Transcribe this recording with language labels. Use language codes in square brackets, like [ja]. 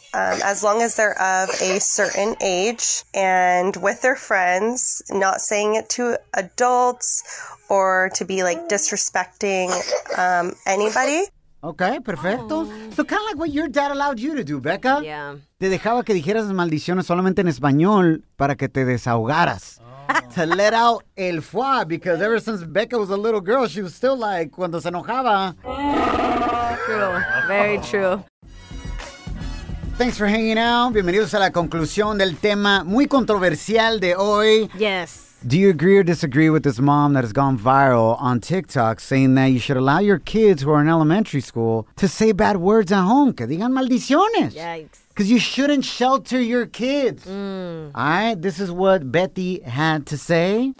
[en] As long as they're of a certain age and with their friends, not saying it to adults or to be like disrespecting anybody. Okay, perfecto. Aww. So kind of like what your dad allowed you to do, Becca. Yeah. [es] Te dejaba que dijeras maldiciones solamente en español para que te desahogaras. [en] To let out [es] el fuá, [en] because ever since Becca was a little girl, she was still like, [es] cuando se enojaba, [en] true. Very true. Thanks for hanging out. [es] Bienvenidos a la conclusión del tema muy controversial de hoy. [en] Yes. Do you agree or disagree with this mom that has gone viral on TikTok saying that you should allow your kids who are in elementary school to say bad words at home? [es] Que digan maldiciones. [en] Yikes. Because you shouldn't shelter your kids. Mm. All right, this is what Betty had to say.